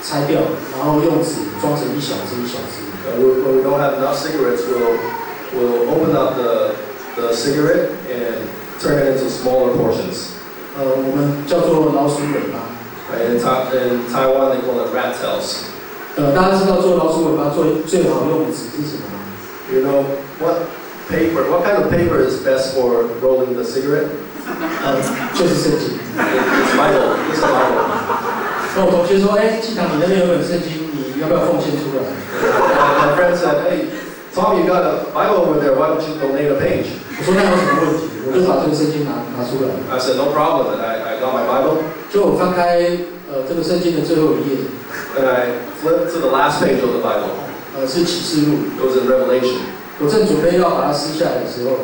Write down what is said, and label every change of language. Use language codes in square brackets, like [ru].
[zh] 我们烟不够的时候，我们就会把烟拆掉，然后用纸装成一小支一小支。 [en] When we don't have enough cigarettes, we'll open up the cigarette and turn it into smaller portions. [zh] 我们叫做老鼠尾巴。 [en] In Taiwan, they call it rat tails. [zh] 大家知道做老鼠尾巴最好用的纸是什么吗？ [en] You know what paper? What kind of paper is best for rolling the cigarette? [zh] 就是圣经。 [en] It's Bible. It's a Bible. [zh] 那我同学说，哎，季堂，你那边有本圣经，你要不要奉献出来？ [en] My friend said, "Hey, Tom, you got a Bible over there. Why don't you donate a page?" [zh] 我说那有什么问题？我就把这个圣经拿出来。 [en] I said, "No problem." And I got my Bible. [zh] 就我翻开这个圣经的最后一页。 [en] And I flipped to the last page of the Bible. [zh] 是启示录。 [en] It was in Revelation. [zh] 我正准备要把它撕下来的时候